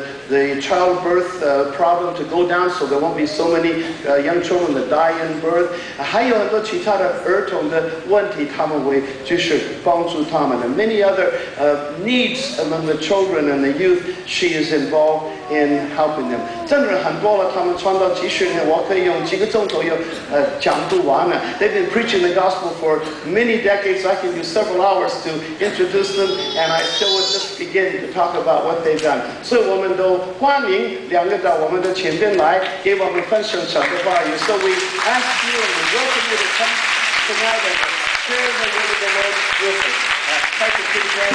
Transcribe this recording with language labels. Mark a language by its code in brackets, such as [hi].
[en] The childbirth problem to go down so there won't be so many young children that die in birth. [zh] 还有很多其他的儿童的问题，他们会继续帮助他们。 [en] And many other needs among the children and the youth, she is involved in helping them. [zh] 真的很多了，他们传道几十年，我可以用几个钟头又讲不完了。 [en] They've been preaching the gospel for many decades. I can use several hours to introduce them, and I still would just begin to talk about what they've done. [zh] 所以我们都欢迎两个到我们的前边来，给我们分享神的话语。 [en] So we ask you and we welcome you to come tonight and share the word of the Lord with us.